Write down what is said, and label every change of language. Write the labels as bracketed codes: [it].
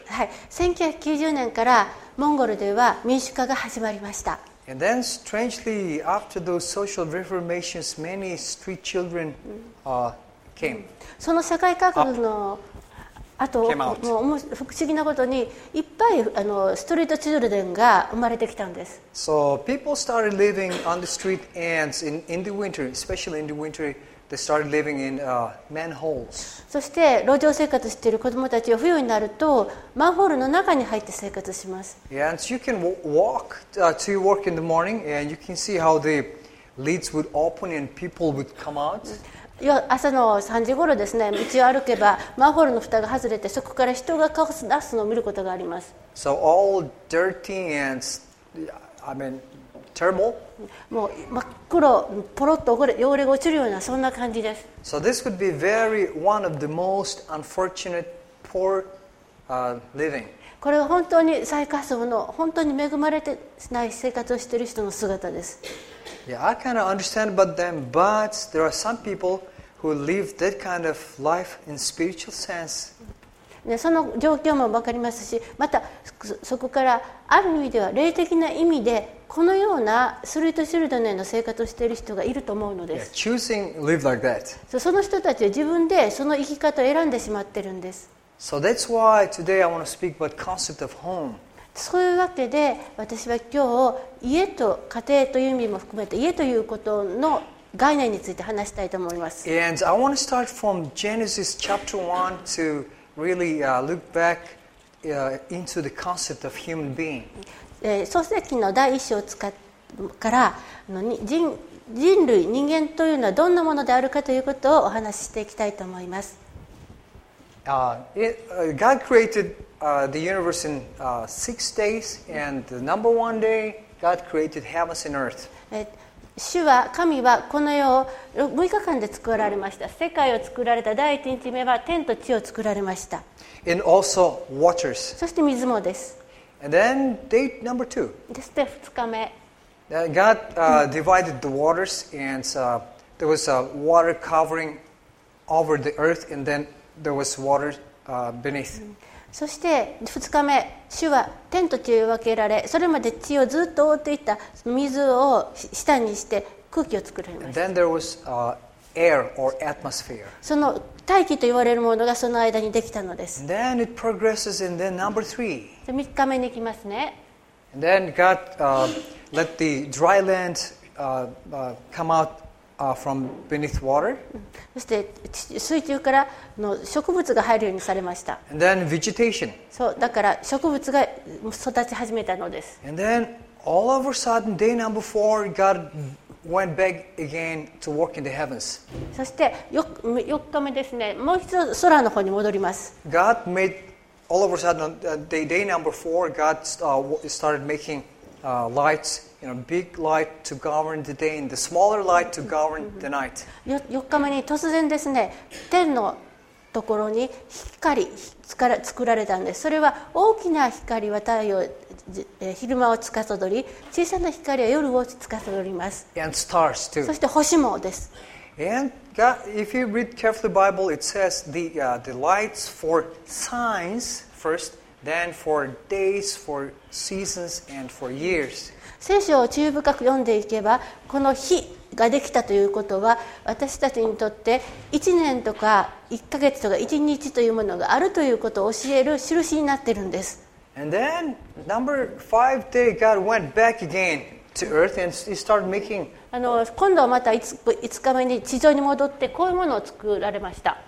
[ja] はい、1990年からモンゴルでは民主化が始まりました。 [en] And then strangely, after those social reformations, many street children came. [ja] その社会改革のあと、もう不思議なことにいっぱいストリートチルドレンが生まれてきたんです。 [en] So people started living on the street and in the winter, especially in the winter, they started living in manholes. [ja] そして路上生活している子どもたちは冬になるとマンホールの中に入って生活します。 [en] Yeah, and you can walk to your work in the morning and you can see how the leads would open and people would come out. [ja] 朝の3時ごろですね、道を歩けばマンホールの蓋が外れて、そこから人が顔を出すのを見ることがあります。 [en] So all dirty and, I mean, terrible. [ja] もう真っ黒、ポロッと汚れが落ちるようなそんな感じです。 [en] So this would be very one of the most unfortunate poor living. [ja] これは本当に最下層の本当に恵まれてない生活をしている人の姿です。 [en] Yeah, I kind of understand about them, but there are some people who live that kind of life in spiritual sense. [ja] ね、その状況もわかりますし、またそこからある意味では霊的な意味でこのようなスリートシルドネの生活をしている人がいると思うのです。 [en] Yeah, choosing live like that. [ja] その人たちは自分でその生き方を選んでしまってるんです。 [en] So that's why today I want to speak about concept of home. [ja] そういうわけで私は今日家と家庭という意味も含めて家ということの概念について話したいと思います。 [en] And I want to start from Genesis chapter 1 to really look back into the concept of human being. [ja] 創世記の第一章から人類、人間というのはどんなものであるかということをお話ししていきたいと思います。 [en] God created the universe in six days, and the number one day, God created heavens and earth. [ja] 主は神はこの世を6日間で作られました。世界を作られた第一日目は天と地を作られました。 [en] And also waters. [ja] そして水もです。 [en] And then day number two. [ja] そして2日目、 [en] God divided the waters and there was water covering over the earth and then there was water beneath. [ja] そして2日目、主は天と地を分けられ、それまで地をずっと覆っていた水を下にして空気を作られました。 [en] And then there was air or atmosphere. [ja] その大気と言われるものがその間にできたのです。 [en] And then it progresses and then number three. [ja] 3日目に行きますね。 [en] And then God let the dry land come out from beneath water. [ja] そして水中からの植物が入るようにされました。 [en] And then vegetation. [ja] そうだから植物が育ち始めたのです。 [en] And then all of a sudden day number four, God went back again to walk in the heavens. [ja] そして4日目ですね、もう一度空の方に戻ります。 [en] God made all of a sudden on day number four, God started makinglights, you know, big light to govern the day and the smaller light to govern the night. [ja] 4日目に突然ですね、天のところに光が作られたんです。それは大きな光は太陽、昼間を司り、小さな光は夜を司ります。 [en] And stars too. [ja] そして星もです。 [en] And God, if you read carefully the Bible, it says the lights for signs first. Then for days, for seasons, and for years. [ja] 聖書を注意深く読んでいけば、この日ができたということは、私たちにとって1年とか1ヶ月とか1日というものがあるということを教える印になっているんです。 [en] And then, number five day, God went back again to earth and he started making. [ja] 今度はまた5日目に地上に戻ってこういうものを作られました。